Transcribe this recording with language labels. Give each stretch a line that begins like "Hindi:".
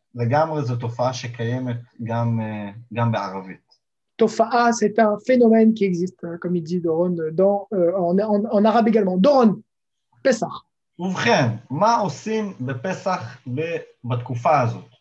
Hebrew: לגמרי זו תופעה שקיימת גם בערבית.
French: תופעה, c'est un phénomène qui existe, comme il dit Doron, en arabe également.
Hebrew: Doron, פסח. ובכן, מה עושים בפסח בתקופה הזאת?